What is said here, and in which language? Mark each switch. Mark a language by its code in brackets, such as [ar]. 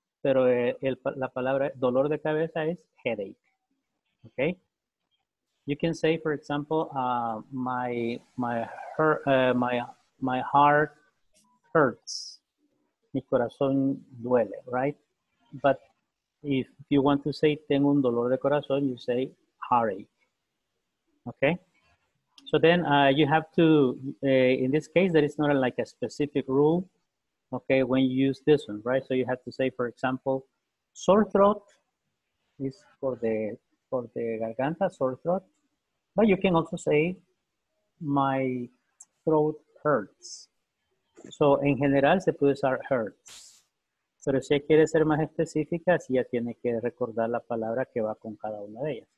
[es] pero la palabra dolor de cabeza es headache. [en] Okay? You can say, for example, my heart hurts. [es] Mi corazón duele, [en] right? But if you want to say [es] tengo un dolor de corazón, [en] you say heartache. Okay? So then you have to, in this case, there is not like a specific rule, okay, when you use this one, right? So you have to say, for example, sore throat is for the garganta, sore throat. But you can also say my throat hurts. [es] So en general se puede usar hurts. Pero si quiere ser más específica, sí ya tiene que recordar la palabra que va con cada una de ellas.